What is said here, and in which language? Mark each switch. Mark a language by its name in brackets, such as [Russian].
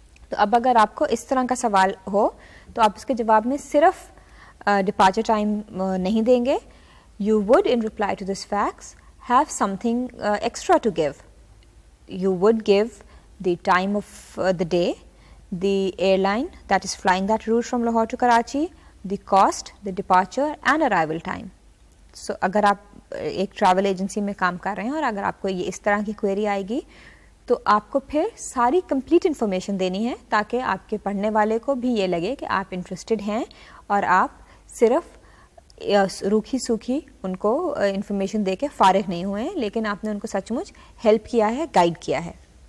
[Hindi] तो अब अगर आपको इस तरह का सवाल हो तो आप उसके जवाब में सिर्फ departure time नहीं देंगे. [English] You would in reply to this fax have something extra to give. You would give the time of the day, the airline that is flying that route from Lahore to Karachi, the cost, the departure and arrival time. [Hindi] So अगर आप एक travel agency में काम कर रहे हैं और अगर आपको ये इस तरह की क्वेरी आएगी, तो आपको फिर सारी कंप्लीट इन्फॉर्मेशन देनी है ताकि आपके पढ़ने वाले को भी ये लगे कि आप इंटरेस्टेड हैं और आप सिर्फ रूखी सूखी उनको इन्फॉर्मेशन दे के फारिग नहीं हुए हैं, लेकिन आपने उनको सचमुच हेल्प किया है, गाइड किया है.